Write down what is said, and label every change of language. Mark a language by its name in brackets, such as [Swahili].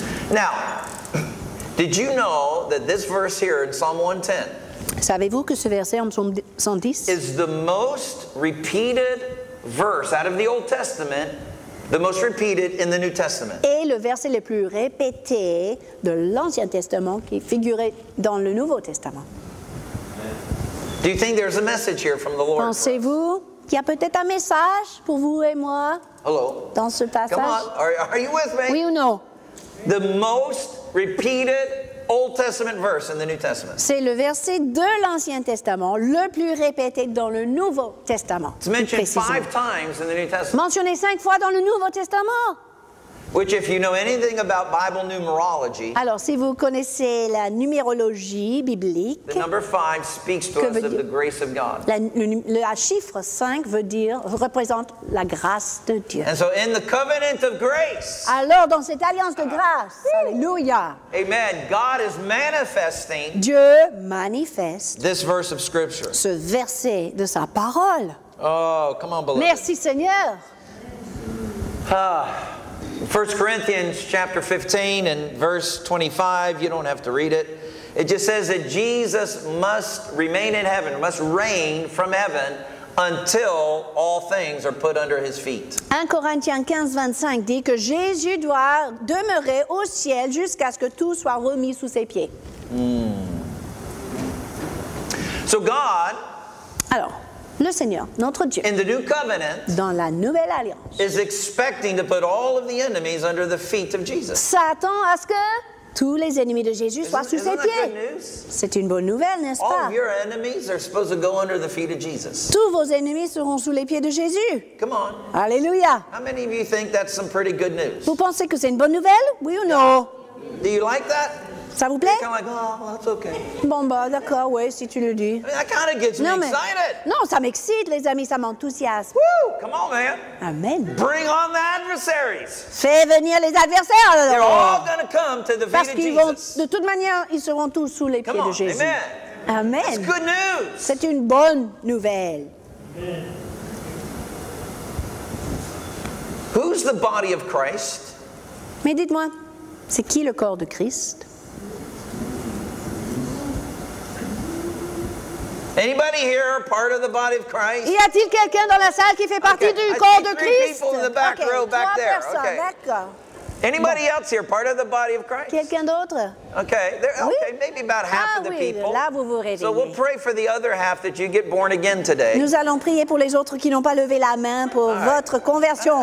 [English] Now, did you know that this verse here in Psalm 110? [French] Savez-vous que ce verset en Psaume 110 [English] is the most repeated verse out of the Old Testament, the most repeated in the New Testament? [French] Et le verset le plus répété de l'Ancien Testament qui figurait dans le Nouveau Testament. [English] Do you think there's a message here from the Lord? [French] Pensez-vous qu'il y a peut-être un message pour vous et moi? [English] Hello. [French] Dans ce passage? [English] Come on, are you with me? [French] Oui ou non? [English] The most repeated Old Testament verse in the New Testament. [French] C'est le verset de l'Ancien Testament le plus répété dans le Nouveau Testament. [English] It's mentioned five times in the New Testament. [French] Mentionné cinq fois dans le Nouveau Testament. [English] Which, if you know anything about Bible numerology, [French] alors si vous connaissez la numérologie biblique, [English] the number five speaks to us of the grace of God. [French] La chiffre 5 veut dire représente la grâce de Dieu. [English] And so, in the covenant of grace, [French] alors dans cette alliance de grâce, alléluia, [English] amen. God is manifesting. [French] Dieu manifeste [English] this verse of scripture. [French] Ce verset de sa parole. [English] Oh, come on, beloved. [French] Merci, Seigneur. Ah. [English] 1 Corinthians chapter 15 and verse 25, you don't have to read it. It just says that Jesus must remain in heaven, must reign from heaven until all things are put under his feet. [French] 1 Corinthiens 15, 25 dit que Jésus doit demeurer au ciel jusqu'à ce que tout soit remis sous ses pieds. Mm. [English] So God, [French] alors, le Seigneur, notre Dieu, [English] in the new covenant, [French] dans la nouvelle alliance, [English] is expecting to put all of the enemies under the feet of Jesus. [French] S'attend à ce que tous les ennemis de Jésus soient sous ses pieds. [English] Isn't that good news? [French] C'est une bonne nouvelle, n'est-ce [English] all [French] pas? [English] All your enemies are supposed to go under the feet of Jesus. [French] Tous vos ennemis seront sous les pieds de Jésus. [English] Come on. [French] Alléluia. [English] How many of you think that's some pretty good news? [French] Vous pensez que c'est une bonne nouvelle? Oui ou non? [English] Do you like that? [French] Ça vous plaît? [English] Kind of like, oh, well, that's okay. [French] Bon, bah, d'accord, oui, si tu le dis. [English] I mean, that kind of gets [French] non, [English] me [French] mais, [English] excited. [French] Non, ça m'excite, les amis, ça m'enthousiasme. [English] Woo! Come on, man. [French] Amen. [English] Bring on the adversaries. [French] Fais venir les adversaires. [English] They're all going to come to the feet of Jesus. [French] Parce qu'ils vont, de toute manière, ils seront tous sous les [English] come [French] pieds [English] on, [French] de Jésus. [English] Amen. [French] Amen. [English] That's good news. [French] C'est une bonne nouvelle. [English] Amen. Who's the body of Christ? [French] Mais dites-moi, c'est qui le corps de Christ? [English] Anybody here part of the body of Christ? [French] Y a-t-il quelqu'un dans la salle qui fait partie [English] okay. [French] du corps de Christ? [English] Okay, I see three people in the back okay. row back [French] trois [English] there. [French] Personnes. [English] Okay, Anybody else here part of the body of Christ? [French] Quelqu'un d'autre? [English] Okay, okay, maybe about half of the people. [French] Là, vous vous réveillez. [English] So we'll pray for the other half that you get born again today. [French] Nous allons prier pour les autres qui n'ont pas levé la main pour votre conversion.